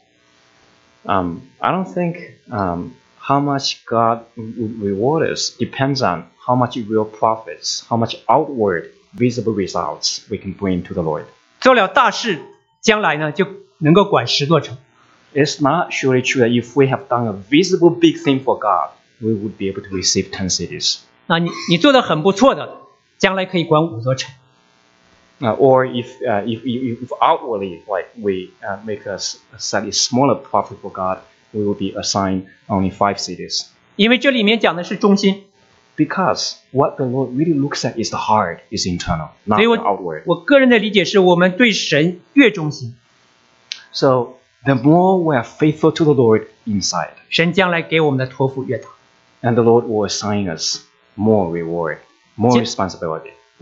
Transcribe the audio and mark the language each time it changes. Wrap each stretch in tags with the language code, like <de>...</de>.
<en>I don't think how much God reward us depends on how much real profits, how much outward visible results we can bring to the Lord.</en> <zh>做了大事，将来呢就能够管十座城。</zh> <en>It's not surely true that if we have done a visible big thing for God, we would be able to receive 10 cities.</en> <zh>那你做得很不错的, 将来可以管五座城。</zh> <en>Or if outwardly like we make a slightly smaller profit for God, we will be assigned only 5 cities.</en> <zh>因为这里面讲的是中心。</zh> <en>Because what the Lord really looks at is the heart, is internal, not</en> <zh>所以我,</zh> <en>the outward.</en> <zh>我个人的理解是我们对神越忠心。</zh> <en>So, the more we are faithful to the Lord inside,</en> <zh>神将来给我们的托付越大,</zh> <en>and the Lord will assign us more reward, more responsibility.</en>